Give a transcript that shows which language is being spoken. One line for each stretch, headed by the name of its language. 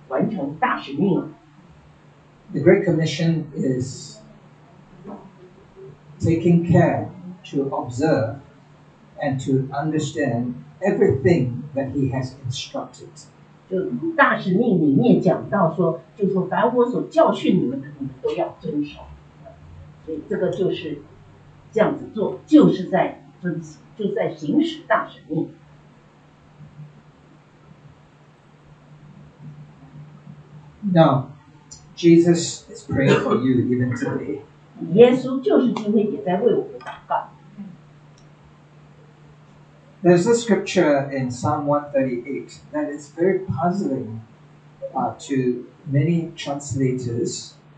Chinese: 神的道，然后大家一起来遵行，这就是完成大使命了。
English: The Great Commission is taking care to observe and to understand everything that He has instructed.
Chinese: 就大使命里面讲到说，就说把我所教训你们的，你们都要遵守。所以这个就是这样子做，就是在遵行，就在行使大使命。
English: Now, Jesus is praying for you even today.
Chinese: 耶稣就是今天也在为我们祷告。
English: There's a scripture in Psalm 138 that is very puzzling to many translators.